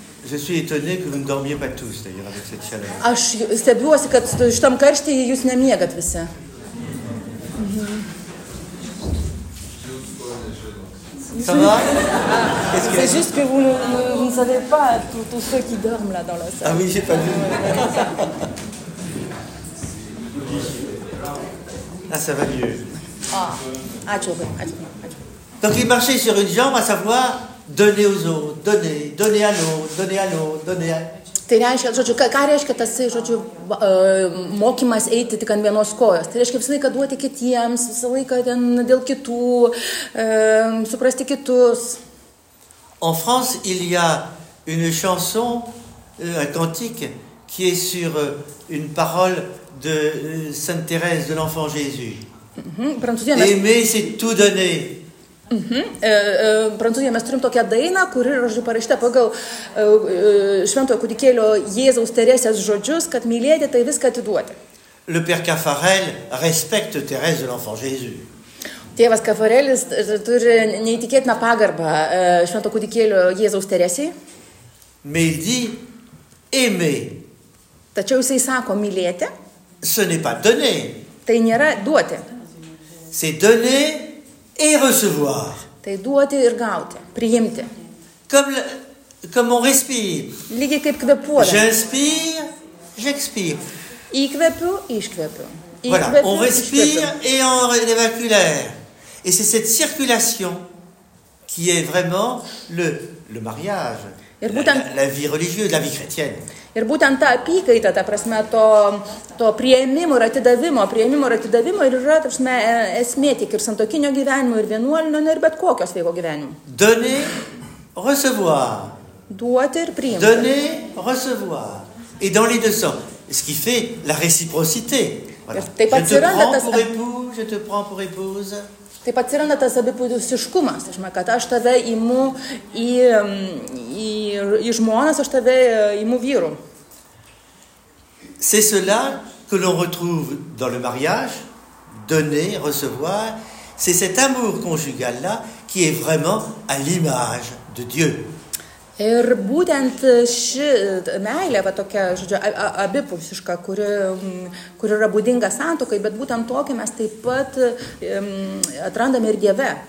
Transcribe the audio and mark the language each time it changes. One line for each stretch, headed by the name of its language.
French: Je suis étonné que vous ne dormiez pas tous d'ailleurs avec cette chaleur.
Lithuanian: Aš stebiuosi, kad šitam karšti jūs nemiegat visi.
French: Ça va? C'est que... juste que vous ne savez pas tous ceux qui dorment là dans la salle. Ah oui, j'ai pas vu. Là, ça va mieux. Ah, attends. Donc, il marchait sur une jambe, à savoir donner aux autres, donner à l'autre, donner à l'autre, donner à.
Lithuanian: Tai reiškia, žodžiu, ką reiškia tas, žodžiu, mokymas eiti tik ant vienos kojos. Tai reiškia visą laiką duoti kitiems, visą laiką ten dėl kitų, suprasti kitus.
French: En France, il y a une chanson, un cantique, qui est sur une parole de Sainte-Thérèse de l'Enfant Jésus. Aimer, c'est tout donner.
Lithuanian: Prancūzijoje mes turim tokią dainą, kuri yra parašyta pagal šventojo kūdikėlio Jėzaus Teresės žodžius, kad mylėti tai viską atiduoti.
French: Le père Caffarel respecte Thérèse de l'Enfant Jésus.
Lithuanian: Tėvas Caffarelis turi neįtikėtiną pagarbą švento kūdikėlio Jėzaus Teresiai.
French: Mais il dit aimer.
Lithuanian: Tačiau jisai sako mylėti.
French: Ce n'est pas donner.
Lithuanian: Tai nėra duoti.
French: C'est donner et recevoir.
Lithuanian: Tai duoti ir gauti, priimti.
French: Comme on respire.
Lithuanian: Lygiai kaip kvepuodami.
French: J'inspire, j'expire.
Lithuanian: Įkvepiu, iškvepiu.
French: Voilà, on respire et on évacue l'air. Et c'est cette circulation qui est vraiment le mariage,
Lithuanian: ir būtent,
French: la vie religieuse, la vie chrétienne.
Lithuanian: Ir būtent ta apykaita, ta prasme, to priėmimo ir atidavimo ir yra, ta prasme, esmė tik ir santokinio gyvenimo, ir vienuolinio, ir bet kokios sveiko gyvenimo.
French: Donner, recevoir.
Lithuanian: Duoti ir priimti.
French: Donner, recevoir. Et dans les deux sens. Ce qui fait la réciprocité. Voilà. Je te prends pour épouse, je te prends pour épouse.
Lithuanian: Taip atsiranda tas abipusiškumas, kad aš tave imu į žmonas, aš tave imu vyru.
French: C'est cela que l'on retrouve dans le mariage, donner, recevoir. C'est cet amour conjugal-là qui est vraiment à l'image de Dieu.
Lithuanian: Ir būtent ši meilė, va tokia, žodžiu, abipusiška, kuri yra būdinga santokai, bet būtent tokia mes taip pat atrandame ir Dieve.